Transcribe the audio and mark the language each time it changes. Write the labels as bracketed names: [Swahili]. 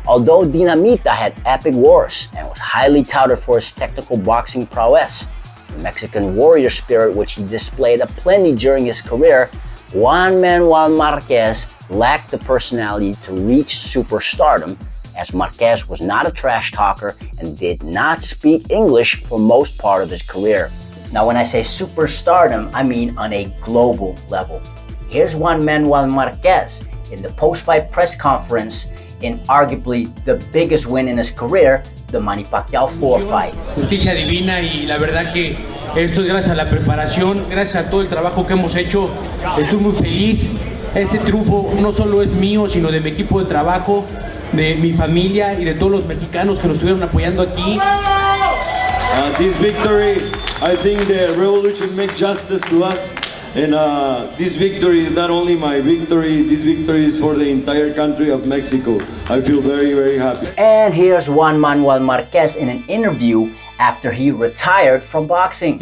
[English] Although Dinamita had epic wars and was highly touted for his technical boxing prowess, the Mexican warrior spirit which he displayed aplenty during his career, Juan Manuel Marquez lacked the personality to reach superstardom, as Marquez was not a trash talker and did not speak English for most part of his career. Now, when I say superstardom, I mean on a global level. Here's Juan Manuel Marquez in the post-fight press conference in arguably the biggest win in his career, the Manny Pacquiao 4 fight. [Spanish] Justicia divina, y la verdad que esto es gracias a la preparación, gracias a todo el trabajo que hemos hecho. Estoy muy feliz. Este triunfo no solo es mío, sino de mi equipo de trabajo, de mi familia y de todos los mexicanos que nos estuvieron apoyando aquí. [English] This victory, I think the revolution made justice to us. And this victory is not only my victory, this victory is for the entire country of Mexico. I feel very, very happy. And here's Juan Manuel Marquez in an interview after he retired from boxing.